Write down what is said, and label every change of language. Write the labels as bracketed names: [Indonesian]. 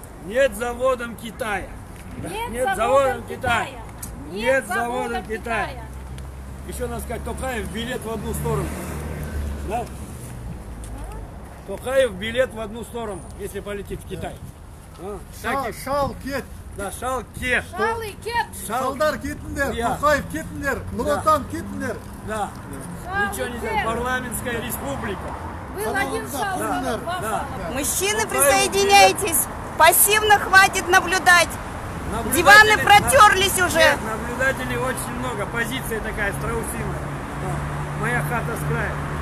[Russian] Нет заводом Китая. Нет заводом Китая. Китая. Нет заводом Китая. Китая. Еще надо сказать, Токаев билет в одну сторону. Да? Токаев билет в одну сторону, если полетит в Китай. Да. А? [Kazakh] Шал кет. [Russian] Да, [Kazakh] шал кет. Шал [Russian] и [Kazakh] кет. Шалдар кетіндер, Токаев кетіндер, Нұротан кетіндер. [Russian] Да. Да. Ничего не знаю, парламентская республика. Был один шал, да. Да. Да. Мужчины, присоединяйтесь. Билет. Пассивно хватит наблюдать. Диваны протерлись уже. Нет, наблюдателей очень много. Позиция такая, страусиная. Да. Моя хата с края.